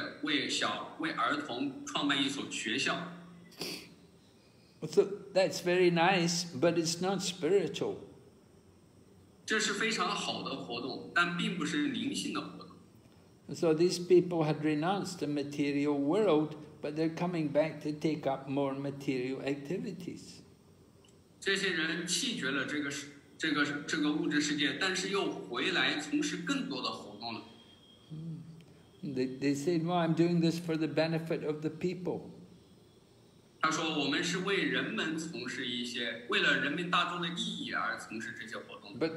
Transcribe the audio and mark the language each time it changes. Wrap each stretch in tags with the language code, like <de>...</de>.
<zh>他们创办医院或者为儿童创办一所学校。</zh> <en>So that's very nice, but it's not spiritual.</en> <zh>这是非常好的活动，但并不是灵性的活动。</zh> <en>So these people had renounced the material world, but they're coming back to take up more material activities.</en> <zh>这些人弃绝了这个物质世界，但是又回来从事更多的活动了。</zh> <en>They said, "Well, I'm doing this for the benefit of the people."</en> <zh>他说：“我们是为人们从事一些，为了人民大众的利益而从事这些活动。”</zh> <en>But</en>